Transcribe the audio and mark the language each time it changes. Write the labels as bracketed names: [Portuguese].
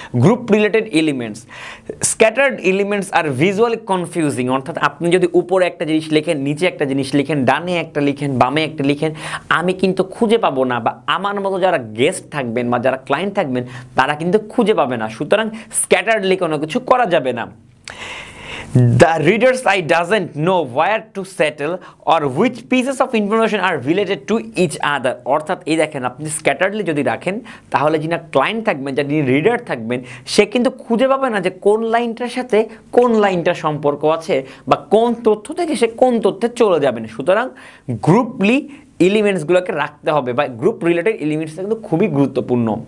[Bangla] Group related elements, scattered elements আর visually confusing, অর্থাৎ আপনি যদি উপরে একটা জিনিস লিখেন, নিচে একটা জিনিস লিখেন, ডানে একটা লিখেন, বামে একটা লিখেন, আমি কিন্তু খুঁজে পাবো না বা আমার মতো যারা গেস্ট থাকবেন বা যারা ক্লায়েন্ট থাকবেন তারা কিন্তু খুঁজে পাবে না। সুতরাং স্ক্যাটার্ড লিখে কোনো কিছু করা যাবে না। [English] The readers eye doesn't know where to settle or which pieces of information are related to each other. [Bangla] অর্থাৎ এই দেখেন আপনি স্ক্যাটারলি যদি রাখেন তাহলে যিনি ক্লায়েন্ট থাকবেন, যিনি রিডার থাকবেন, সে কিন্তু খুঁজে পাবে না যে কোন লাইনটার সাথে কোন লাইনটার সম্পর্ক আছে বা কোন তথ্য থেকে সে কোন তথ্যে চলে যাবেন। সুতরাং গ্রুপলি এলিমেন্টসগুলোকে রাখতে হবে বা গ্রুপ রিলেটেড এলিমেন্টসটা কিন্তু খুবই গুরুত্বপূর্ণ।